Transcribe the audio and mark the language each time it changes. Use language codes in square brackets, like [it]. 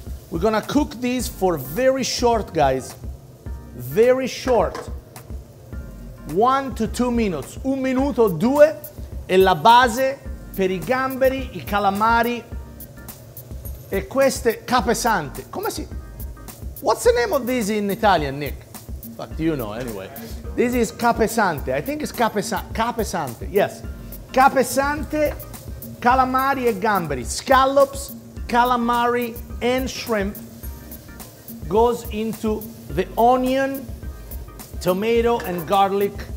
[en] We're gonna cook these for very short, guys. Very short, 1 to 2 minutes. [it] Un minuto, due, è la base per i gamberi, i calamari e queste capesante. Come si? [en] What's the name of this in Italian, Nick? Fuck, do you know anyway? This is capesante. I think it's capesante. Yes, [it] capesante, calamari e gamberi, [en] scallops, calamari and shrimp goes into the onion, tomato, and garlic.